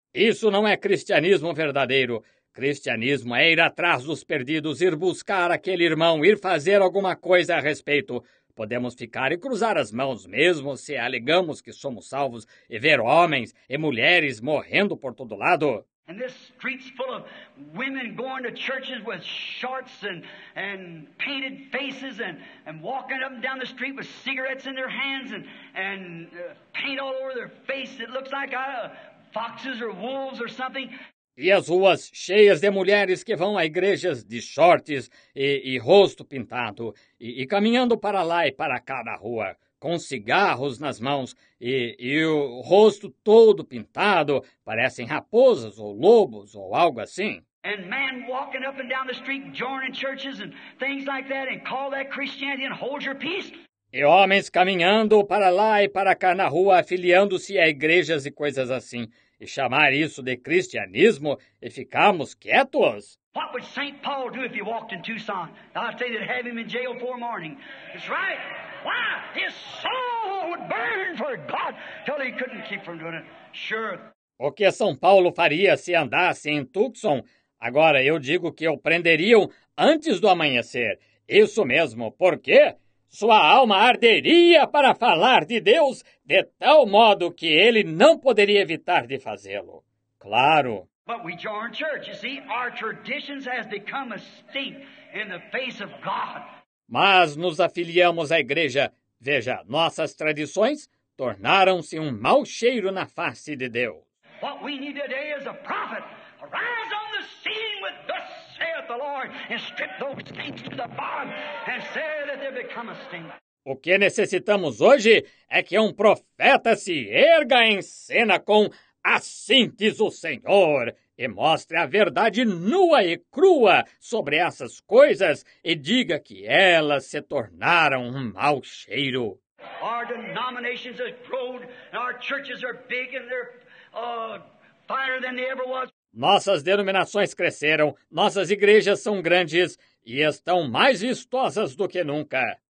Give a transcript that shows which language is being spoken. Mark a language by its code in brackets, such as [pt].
[pt] Isso não é cristianismo verdadeiro. Cristianismo é ir atrás dos perdidos, ir buscar aquele irmão, ir fazer alguma coisa a respeito. Podemos ficar e cruzar as mãos mesmo se alegamos que somos salvos e ver homens e mulheres morrendo por todo lado. [en] And this street's full of women going to churches with shorts and painted faces and walking up and down the street with cigarettes in their hands and paint all over their face. It looks like foxes or wolves or something. [pt] E as ruas cheias de mulheres que vão a igrejas de shorts e rosto pintado e caminhando para lá e para cá na rua, com cigarros nas mãos e o rosto todo pintado, parecem raposas ou lobos ou algo assim. [en] And man walking up and down the street, joining churches and things like that, and call that Christianity and hold your peace. [pt] E homens caminhando para lá e para cá na rua, afiliando-se a igrejas e coisas assim, e chamar isso de cristianismo e ficarmos quietos? [en] What would St. Paul do if he walked in Tucson? I'd say they'd have him in jail for a morning. That's right. Why? His soul would burn for God till he couldn't keep from doing it. Sure. [pt] O que São Paulo faria se andasse em Tucson? Agora eu digo que o prenderiam antes do amanhecer. Isso mesmo. Por quê? Sua alma arderia para falar de Deus de tal modo que ele não poderia evitar de fazê-lo. Claro. [en] But we join church, you see, our traditions has become a stink in the face of God. [pt] Mas nos afiliamos à igreja. Veja, nossas tradições tornaram-se um mau cheiro na face de Deus. [en] What we need today is a prophet. Arise on the scene with thus saith the Lord and strip those stinks to the bottom and say that they've become a stink. [pt] O que necessitamos hoje é que um profeta se erga em cena com assim diz o Senhor, e mostre a verdade nua e crua sobre essas coisas, e diga que elas se tornaram um mau cheiro. [en] Our denominations have grown, and our churches are big, and they're finer than they ever was. [pt] Nossas denominações cresceram, nossas igrejas são grandes e estão mais vistosas do que nunca.